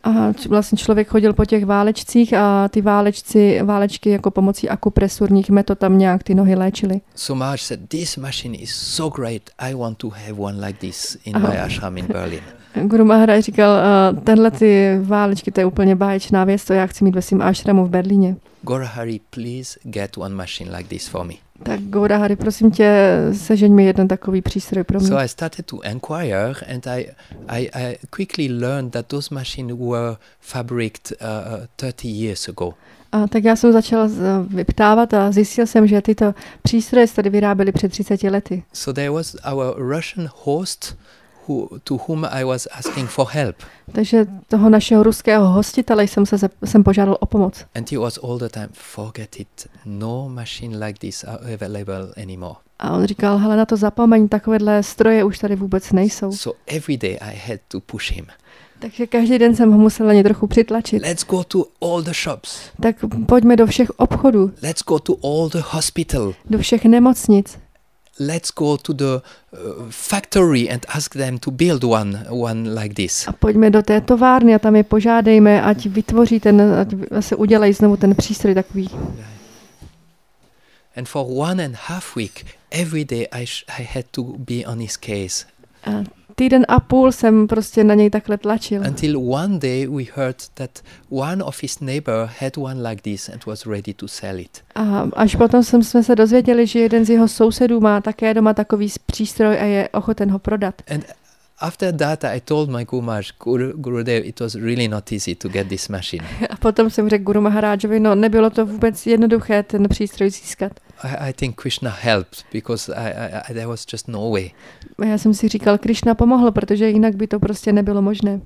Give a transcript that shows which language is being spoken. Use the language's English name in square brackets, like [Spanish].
[Czech] A vlastně člověk chodil po těch válečcích a ty válečky jako pomocí akupresurních metod tam nějak ty nohy léčily. [English] So Maharaj said, this machine is so great, I want to have one like this in my ashram in Berlin. [Czech] Guru Maharaj říkal, tenhle ty válečky, to je úplně báječná věc, to já chci mít ve svým ashramu v Berlíně. [English] Gaurahari, please get one machine like this for me. [Czech] Tak Gaurahari, prosím tě, sežeň mi jeden takový přístroj pro mě. [English] So I started to inquire and I quickly learned that those machines were fabricated 30 years ago. [Czech] A tak já jsem začal vyptávat a zjistil jsem, že tyto přístroje se tady vyráběly před 30 lety. [English] So there was our Russian host to whom I was asking for help. [Czech] Takže toho našeho ruského hostitele jsem požádal o pomoc. [English] And he was all the time, forget it, no machine like this are available anymore. [Czech] A on říkal, hele, na to zapomeň, takovéhle stroje už tady vůbec nejsou. [English] So every day I had to push him. [Czech] Takže každý den jsem ho musel na ně trochu přitlačit. [English] Let's go to all the shops. [Czech] Tak pojďme do všech obchodů. [English] Let's go to all the hospital. [Czech] Do všech nemocnic. [English] Let's go to the factory and ask them to build one like this. [Czech] A pojďme do té továrny a tam je požádejme, ať vytvoří ten, ať se udělají znovu ten přístroj takový. [English] And for 1.5 weeks, every day I had to be on his case. [Czech] A týden a půl jsem prostě na něj takhle tlačil. [English] Until one day we heard that one of his neighbor had one like this and was ready to sell it. [Czech] A až potom jsme se dozvěděli, že jeden z jeho sousedů má také doma takový přístroj a je ochoten ho prodat. [English] And after that I told my Gumaj, Gurudev, it was really not easy to get this machine. [Czech] A potom jsem řekl Guru Maharajovi, no nebylo to vůbec jednoduché ten přístroj získat. [English] I think Krishna helped because I there was just no way. [Czech] A já jsem si říkal, Krishna pomohl, protože jinak by to prostě nebylo možné.